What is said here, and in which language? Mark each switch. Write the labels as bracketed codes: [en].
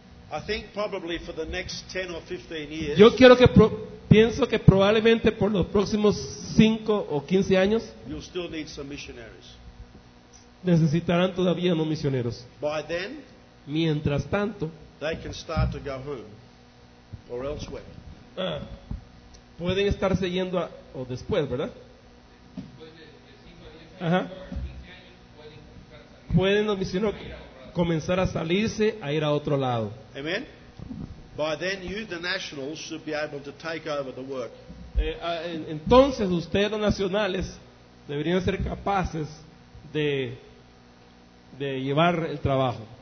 [en] I think probably for the next 10 or 15 years. [es] Yo quiero que pienso que probablemente por los próximos 5 o 15 años. [en] You'll still need some missionaries. [es] Necesitarán todavía unos misioneros. [en] By then, [es] mientras tanto, [en] they can start to go home or elsewhere. [es] Pueden estar siguiendo a, o después, ¿verdad? Después de 5 o 10 años, ajá. Pueden los misioneros comenzar a salirse a ir a otro lado. Amen. [en] By then you the nationals should be able to take over the work. [es] Entonces ustedes los nacionales deberían ser capaces de llevar el trabajo.